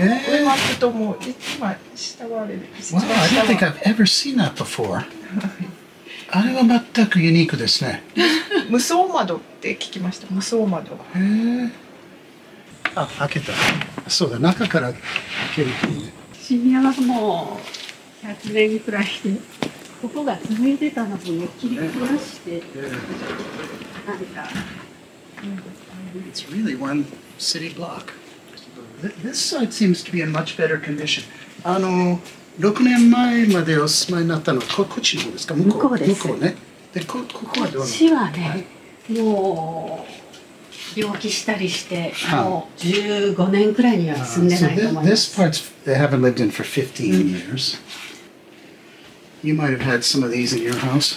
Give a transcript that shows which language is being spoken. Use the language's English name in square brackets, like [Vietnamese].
[English] Wow, I don't think I've ever seen that before. [Japanese] あれは全くユニークですね。無双窓って聞きました。無双窓。あ、開けた。そうだ、中から開けるといいね。シニアはもう100年くらいで、ここが続いてたのも切り壊して、 [English] It's really one city block. This side seems to be in much better condition. [Japanese] 6年前までお住まいになったのはこっちの方ですか？向こう。向こうです。向こうね。で、ここはどうなの？こっちはね、もう病気したりして、もう15年くらいには住んでないと思います。 [English] This part's they haven't lived in for 15 years. You might have had some of these in your house.